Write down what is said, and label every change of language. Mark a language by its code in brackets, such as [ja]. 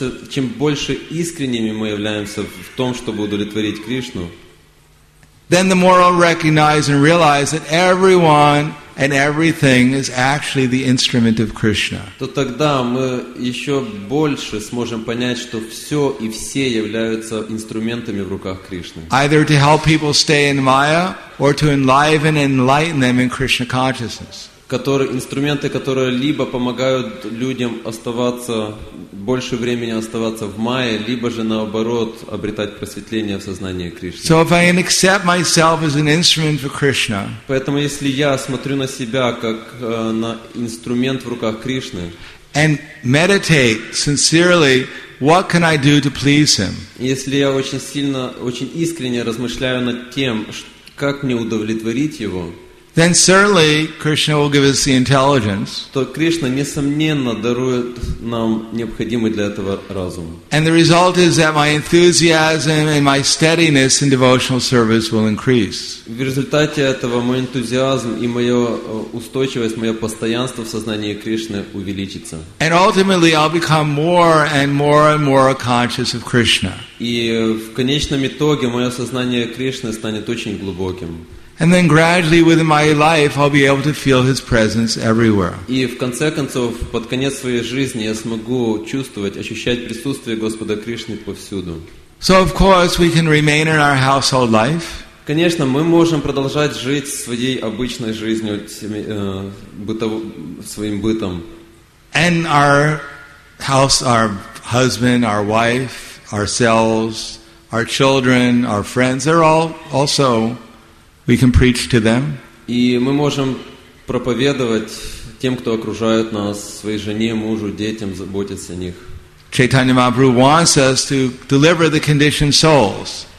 [ru] Чем больше искренними мы являемся в том, чтобы удовлетворить Кришну, [en] then the more I'll recognize and realize that everyone and everything is actually the instrument of Krishna. [ru] То тогда мы еще больше сможем понять, что все и все являются инструментами в руках Кришны. [en] Either to help people stay in Maya or to enliven and enlighten them in Krishna consciousness. [ru] Инструменты, которые либо помогают людям оставаться больше времени оставаться в майе, либо же наоборот обретать просветление в сознании Кришны. [en] So if I accept myself as an instrument for Krishna, [ru] поэтому если я смотрю на себя как на инструмент в руках Кришны, [en] and meditate sincerely, what can I do to please Him? [ru] Если я очень сильно, очень искренне размышляю над тем, как мне удовлетворить Его. [en] Then certainly Krishna will give us the intelligence. [ru] То Кришна несомненно дарует нам необходимый для этого разум. [en] And the result is that my enthusiasm and my steadiness in devotional service will increase. [ru] В результате этого мой энтузиазм и моя устойчивость, мое постоянство в сознании Кришны увеличится. [en] And ultimately I'll become more and more and more conscious of Krishna. [ru] И в конечном итоге мое сознание Кришны станет очень глубоким. [en] And then gradually within my life I'll be able to feel His presence everywhere. [ru] И в конце концов, под конец своей жизни я смогу чувствовать, ощущать присутствие Господа Кришны повсюду. [en] So of course we can remain in our household life. [ru] Конечно, мы можем продолжать жить своей обычной жизнью, своим бытом. [en] And our house, our husband, our wife, ourselves, our children, our friends, they're all also... We can preach to them. [ru] И мы можем проповедовать тем, кто окружает нас, своей жене, мужу, детям, заботиться о них. [en] Chaitanya Mahaprabhu wants us to deliver the conditioned souls.